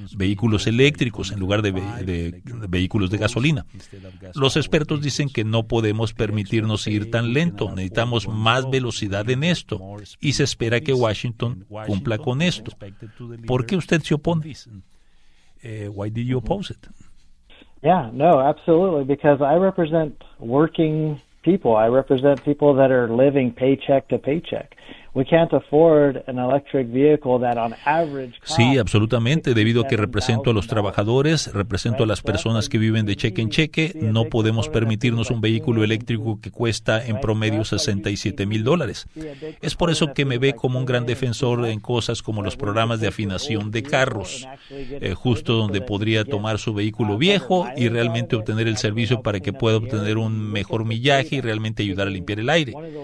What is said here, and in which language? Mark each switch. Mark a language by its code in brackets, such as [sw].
[es] Vehículos eléctricos en lugar de vehículos de gasolina. Los expertos dicen que no podemos permitirnos ir tan lento, necesitamos más velocidad en esto y se espera que Washington cumpla con esto. ¿Por qué usted se opone? [en] Why did you oppose it? Yeah, no, absolutely, because I represent working people. I represent people that are living paycheck to paycheck. We can't afford an electric vehicle that on average costs. [es] Sí, absolutamente. Debido a que represento a los trabajadores, represento a las personas que viven de cheque en cheque, no podemos permitirnos un vehículo eléctrico que cuesta en promedio $67,000. Es por eso que me ve como un gran defensor en cosas como los programas de afinación de carros, justo donde podría tomar su vehículo viejo y realmente obtener el servicio para que pueda obtener un mejor millaje y realmente ayudar a limpiar el aire.